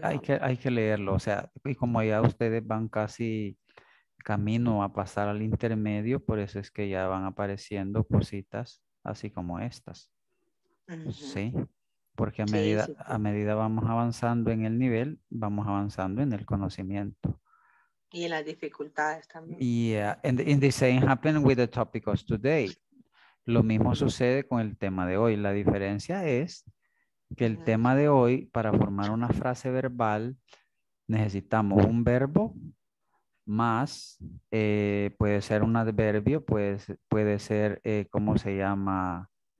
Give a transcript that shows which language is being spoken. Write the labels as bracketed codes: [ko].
[es] hay que leerlo. O sea, y como ya ustedes van casi camino a pasar al intermedio, por eso es que ya van apareciendo cositas así como estas. Uh-huh. Sí. Porque a medida vamos avanzando en el nivel, vamos avanzando en el conocimiento. Y en las dificultades también. [en] Yeah, and the same happened with the topic of today. [es] Lo mismo sucede con el tema de hoy. La diferencia es que el tema de hoy, para formar una frase verbal, necesitamos un verbo más, puede ser un adverbio, puede ser, ¿cómo se llama?